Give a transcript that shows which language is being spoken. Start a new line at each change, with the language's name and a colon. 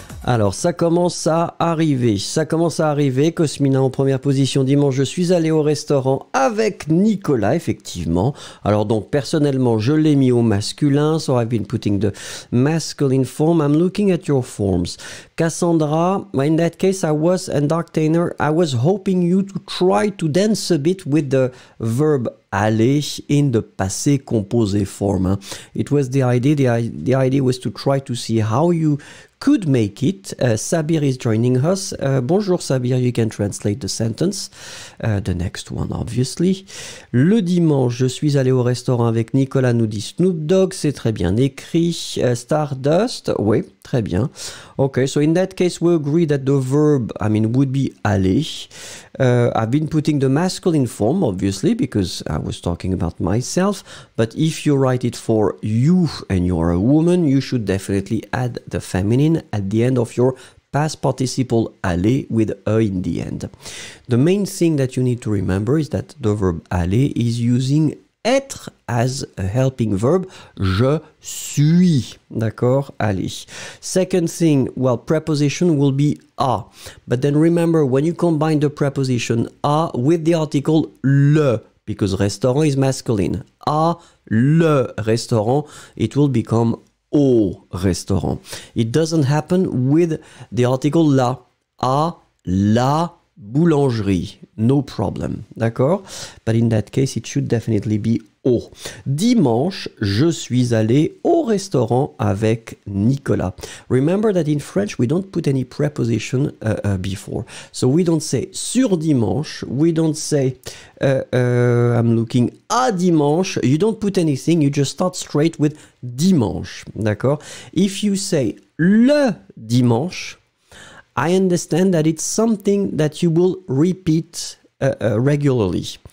French: Alors, ça commence à arriver. Ça commence à arriver. Cosmina en première position. Dimanche, je suis allé au restaurant avec Nicolas, effectivement. Alors, donc, personnellement, je l'ai mis au masculin.
English: So I've been putting the masculine form. I'm looking at your forms. Cassandra, in that case, I was an entertainer. I was hoping you to try to dance a bit with the verb aller in the passé composé form. It was the idea. The idea was to try to see how you could make it. Sabir is joining us. Bonjour Sabir, you can translate the sentence. The next one, obviously.
French: Le dimanche, je suis allé au restaurant avec Nicolas, nous dit Snoop Dogg. C'est très bien écrit. Stardust, oui, très bien.
English: Ok, so in that case, we agree that the verb, I mean, would be aller. I've been putting the masculine form, obviously, because I was talking about myself. But if you write it for you and you're a woman, you should definitely add the feminine at the end of your past participle aller with a in the end. The main thing that you need to remember is that the verb aller is using être as a helping verb.
French: Je suis, d'accord, aller.
English: Second thing, well, preposition will be à. But then remember, when you combine the preposition à with the article le, because restaurant is masculine, à le restaurant, it will become au restaurant. It doesn't happen with the article la. À la boulangerie. No problem. D'accord? But in that case, it should definitely be au.
French: Dimanche, je suis allé au restaurant avec Nicolas.
English: Remember that in French, we don't put any preposition before. So we don't say sur dimanche. We don't say I'm looking à dimanche. You don't put anything. You just start straight with dimanche. D'accord? If you say le dimanche, I understand that it's something that you will repeat regularly.